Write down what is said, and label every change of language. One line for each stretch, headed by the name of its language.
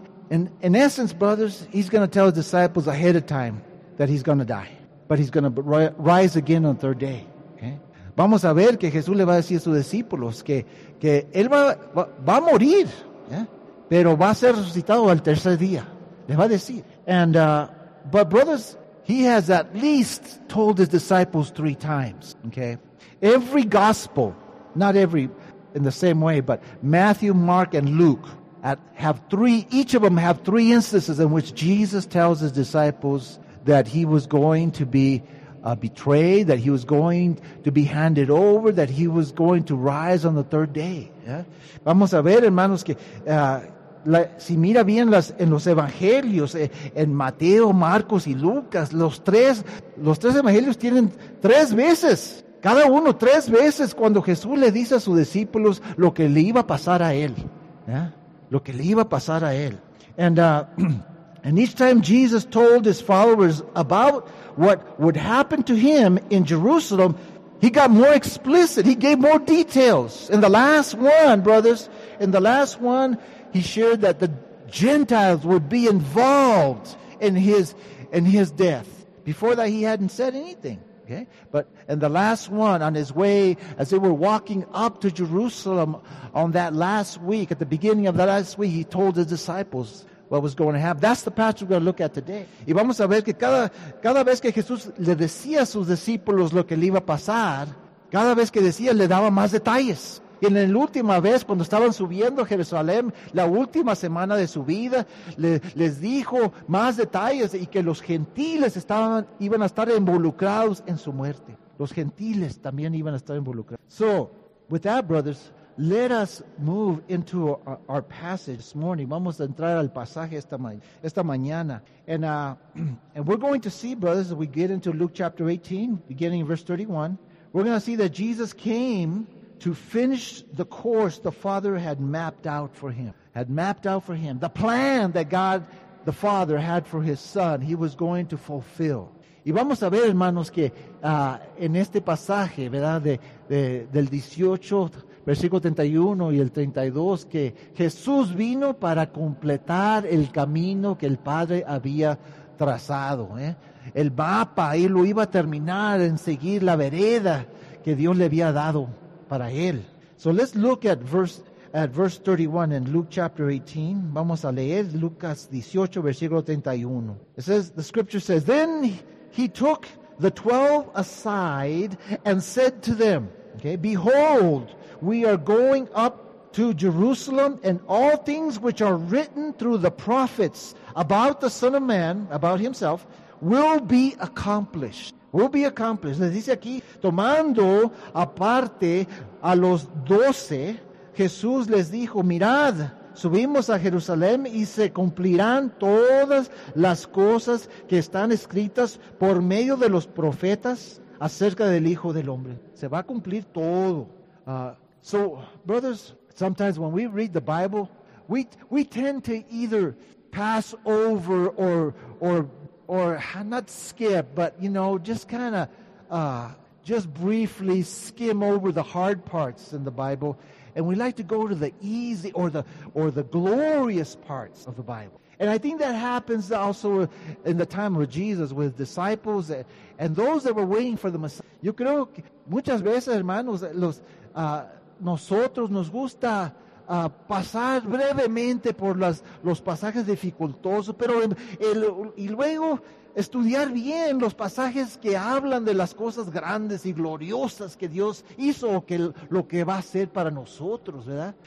English: In essence, brothers, he's going to tell his disciples ahead of time that he's going to die, but he's going to rise again on the third day. Okay?
Spanish: Vamos a ver que Jesús le va a decir a sus discípulos que él va a morir, yeah? Pero va a ser resucitado al tercer día. Le va a decir.
English: And but brothers, he has at least told his disciples three times. Okay, every gospel, not every in the same way, but Matthew, Mark, and Luke. Each of them have three instances in which Jesus tells his disciples that he was going to be betrayed, that he was going to be handed over, that he was going to rise on the third day. Yeah?
Spanish: Vamos a ver, hermanos, que si mira bien en los evangelios, en Mateo, Marcos y Lucas, los tres evangelios tienen tres veces, cada uno tres veces, cuando Jesús le dice a sus discípulos lo que le iba a pasar a él. Yeah? Lo que le iba a pasar a él.
English: And each time Jesus told his followers about what would happen to him in Jerusalem, he got more explicit. He gave more details. In the last one, he shared that the Gentiles would be involved in his death. Before that, he hadn't said anything. Okay? But in the last one, on his way, as they were walking up to Jerusalem on that last week, at the beginning of that last week, he told his disciples what was going to happen. That's the passage we're going to look at today.
Spanish: Y vamos a ver que cada vez que Jesús le decía a sus discípulos lo que le iba a pasar, cada vez que decía, le daba más detalles. Y en la última vez, cuando estaban subiendo a Jerusalén, la última semana de su vida, les dijo más detalles y que los gentiles iban a estar involucrados en su muerte. Los gentiles también iban a estar involucrados.
English: So, with that, brothers, let us move into our passage this morning.
Spanish: Vamos a entrar al pasaje esta mañana.
English: And we're going to see, brothers, as we get into Luke chapter 18, beginning in verse 31, we're going to see that Jesus came to finish the course the Father had mapped out for him. The plan that God, the Father, had for his Son, he was going to fulfill.
Spanish: Y vamos a ver, hermanos, que en este pasaje, ¿verdad? Del 18, versículo 31 y el 32, que Jesús vino para completar el camino que el Padre había trazado. ¿Eh? El mapa, él lo iba a terminar en seguir la vereda que Dios le había dado. Para él.
English: So let's look at verse 31 in Luke chapter 18.
Spanish: Vamos a leer Lucas 18, versículo 31.
English: It says, the scripture says, then he took the 12 aside and said to them, okay, behold, we are going up to Jerusalem, and all things which are written through the prophets about the Son of Man, about himself, will be accomplished. Will be accomplished.
Spanish: Les dice aquí, tomando aparte a los 12, Jesús les dijo, mirad, subimos a Jerusalén y se cumplirán todas las cosas que están escritas por medio de los profetas acerca del Hijo del Hombre. Se va a cumplir todo.
English: So, brothers, sometimes when we read the Bible, we tend to either pass over or not skip, but you know, just kind of just briefly skim over the hard parts in the Bible, and we like to go to the easy or the glorious parts of the Bible. And I think that happens also in the time of Jesus with disciples and those that were waiting for the Messiah.
Spanish: Yo creo que muchas veces, hermanos, nosotros nos gusta pasar brevemente por los pasajes dificultosos, pero y luego estudiar bien los pasajes que hablan de las cosas grandes y gloriosas que Dios hizo o que lo que va a hacer para nosotros, ¿verdad?